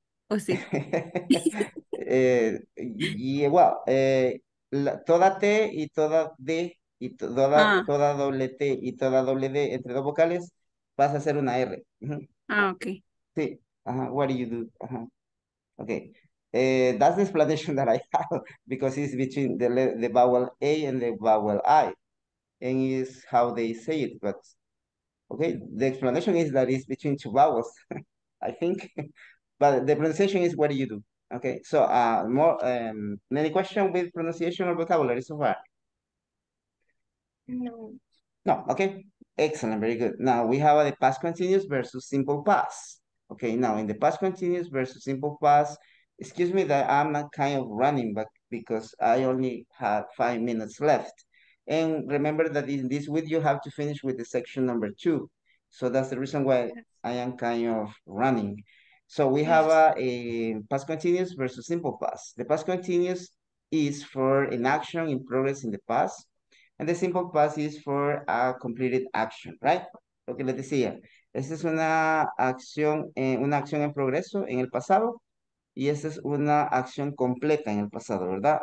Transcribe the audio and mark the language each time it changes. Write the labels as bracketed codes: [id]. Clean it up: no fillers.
[es] Toda T y toda D y toda doble T y toda doble D entre dos vocales vas a hacer una R. Ah, ok. [en] Sí. What do you do? Ok. That's the explanation that I have because it's between the vowel A and the vowel I. And it's how they say it, but... Okay, the explanation is that it's between two vowels, I think. But the pronunciation is what do you do? Okay, so any question with pronunciation or vocabulary so far? No. No, okay. Excellent, very good. Now we have the past continuous versus simple past. Okay, now in the past continuous versus simple past, excuse me that I'm kind of running back because I only have 5 minutes left. And remember that in this week you have to finish with the section number 2. So that's the reason why I am kind of running. So we have a past continuous versus simple past. The past continuous is for an action in progress in the past. And the simple past is for a completed action, right? Okay, let's see. [es] Esta es una acción en progreso en el pasado. Y esta es una acción completa en el pasado, ¿verdad?